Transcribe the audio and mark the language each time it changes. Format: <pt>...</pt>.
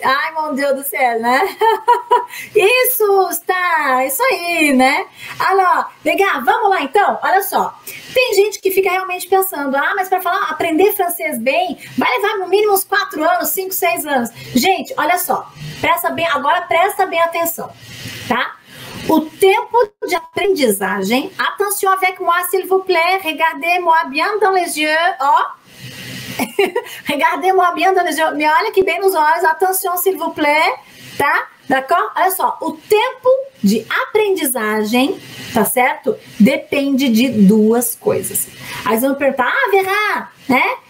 <pt>Ai, meu Deus do céu, né? Isso, está, isso aí, né? Alô, legal, vamos lá então, olha só. Tem gente que fica realmente pensando, mas para falar, aprender francês bem, vai levar no mínimo uns 4 anos, 5, 6 anos. Gente, olha só, presta bem atenção, tá? O tempo de aprendizagem,</pt> <fr>attention avec moi, s'il vous plaît, regardez-moi bien dans les yeux, ó. Regardez-moi bien dans les yeux,</fr> <pt>me olha aqui bem nos olhos,</pt> <fr>attention s'il vous plaît, tá? D'accord?</fr> <pt>Olha só, o tempo de aprendizagem, tá certo? Depende de duas coisas. Aí vocês vão perguntar, Vera, né?</pt>